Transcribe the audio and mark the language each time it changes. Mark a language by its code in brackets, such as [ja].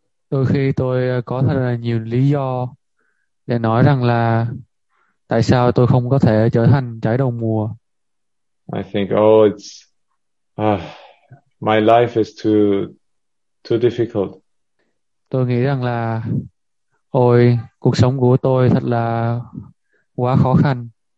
[vi] Đôi khi tôi có thật là nhiều lý do để nói rằng là tại sao tôi không có thể trở thành trái đầu mùa. [en] I think, oh, it's my life is too difficult. [vi] Tôi nghĩ rằng là ôi, cuộc sống của tôi thật là quá khó khăn.